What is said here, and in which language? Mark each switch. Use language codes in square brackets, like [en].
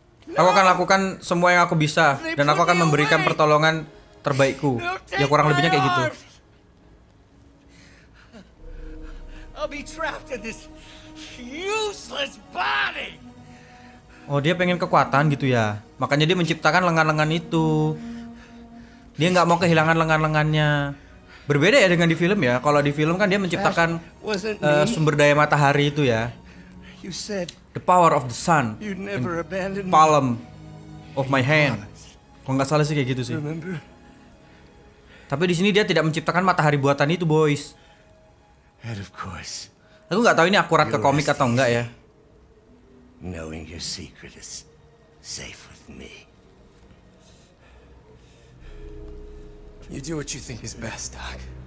[id] Aku akan lakukan semua yang aku bisa dan aku akan memberikan pertolongan terbaikku. Ya kurang lebihnya kayak gitu. [en] I'll be trapped in this useless body. [id] Oh, dia pengen kekuatan gitu ya. Makanya dia menciptakan lengan-lengan itu. Dia enggak mau kehilangan lengan-lengannya. Berbeda ya dengan di film ya. Kalau di film kan dia menciptakan sumber daya matahari itu ya. [en] You said the power of the sun you'd never abandon me. Palm of my hand. [id] Kok enggak salah sih kayak gitu sih. [en] Remember? [id] Tapi di sini dia tidak menciptakan matahari buatan itu, boys. [en] And of course. [id] Aku enggak tahu ini akurat ke komik atau enggak ya. [en] Knowing your secret is safe with me. You do what you think is best, Doc.